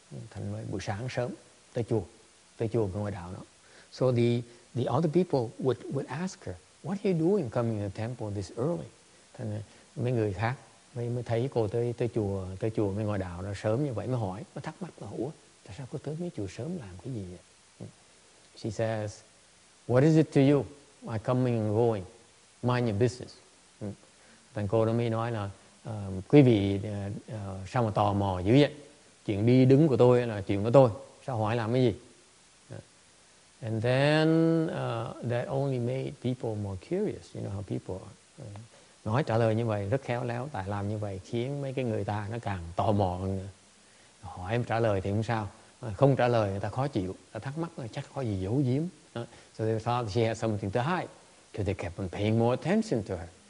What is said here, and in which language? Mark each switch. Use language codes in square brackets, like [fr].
[vi] Thành mới buổi sáng sớm tới chùa của ngoại đạo đó. [en] So the other people would ask her, what are you doing coming to the temple this early? [vi] Thành mấy người khác mới thấy cô tới chùa mới ngoại đạo đó sớm như vậy, mới hỏi, mới thắc mắc là, ủa, tại sao cô tới mấy chùa sớm làm cái gì vậy? [en] She says, what is it to you? I'm coming and going. Mind your business. [vi] Thành cô đó mới nói là, quý vị sao mà tò mò dữ vậy? Chuyện đi đứng của tôi là chuyện của tôi, sao hỏi làm cái gì? [en] And then that only made people more curious. You know how people are. [vi] Nói trả lời như vậy rất khéo léo, tại làm như vậy khiến mấy cái người ta nó càng tò mò hơn nữa. Hỏi em trả lời thì không sao, không trả lời người ta khó chịu, ta thắc mắc là chắc có gì giấu giếm. [en] So they thought she had something to hide, because they kept on paying more attention to her.